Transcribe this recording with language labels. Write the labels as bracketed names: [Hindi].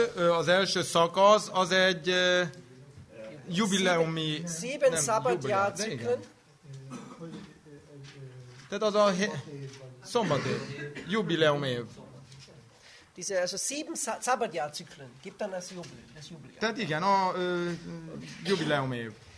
[Hungarian] Az első szakasz az egy jubileumi [German] 7 Sabbatjahrzyklen. [Hungarian] Tehát az a szombatév, jubileum év. [German] Diese also 7 Sabbatjahrzyklen gibt dann das Jubiläum. [Hungarian] Tehát igen, a jubileum év.